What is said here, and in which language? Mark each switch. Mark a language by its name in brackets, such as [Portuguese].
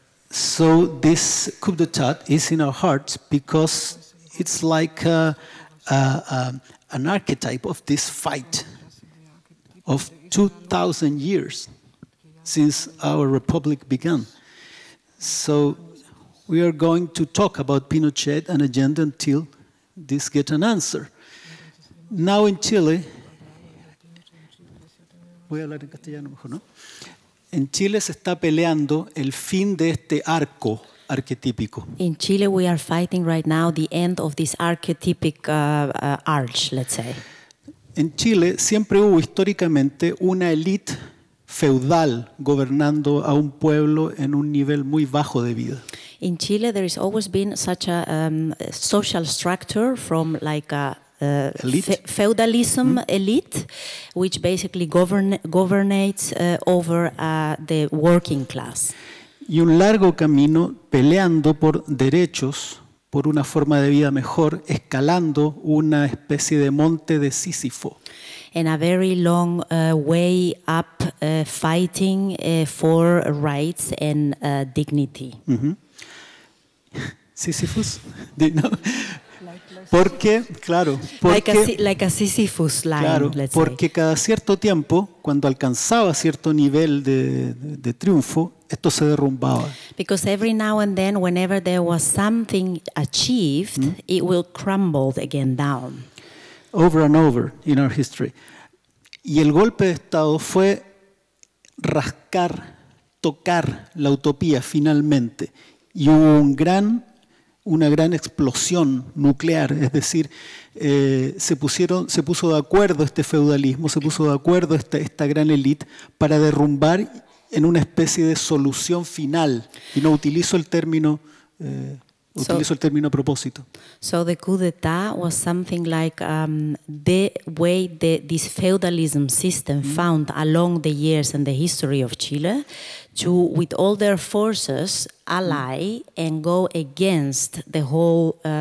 [English] So this coup d'etat is in our hearts because it's like an archetype of this fight of 2,000 years since our republic began. So we are going to talk about Pinochet and Allende until this gets an answer. Now in Chile, [Spanish] voy a hablar en castellano mejor, ¿no? En Chile se está peleando el fin de este arco arquetípico. [English] In Chile we are fighting right now the end of this archetypic arch, let's say. [Spanish] En Chile siempre hubo históricamente una élite feudal gobernando a un pueblo en un nivel muy bajo de vida. [English] In Chile there has always been such a social structure from like a feudalism elite, which basically governates over the working class. [Spanish] Y un largo camino peleando por derechos, por una forma de vida mejor, escalando una especie de monte de Sísifo. [English] And a very long way up fighting for rights and dignity. [Spanish] Sísifos, ¿no? Porque, claro, porque, [English] like a Sisyphus line, [Spanish] claro, [English] let's [Spanish] porque [English] say. [Spanish] Cada cierto tiempo, cuando alcanzaba cierto nivel de triunfo, esto se derrumbaba. [English] Because every now and then, whenever there was something achieved, it will crumble again down. Over and over in our history. [Spanish] Y el golpe de Estado fue rascar, tocar la utopía finalmente. Y hubo una gran explosión nuclear, es decir, se puso de acuerdo este feudalismo, se puso de acuerdo esta gran élite para derrumbar en una especie de solución final. Y no utilizo el término a propósito. [English] So the coup d'etat was something like the way that this feudalism system found along the years and the history of Chile to, with all their forces, ally and go against the whole,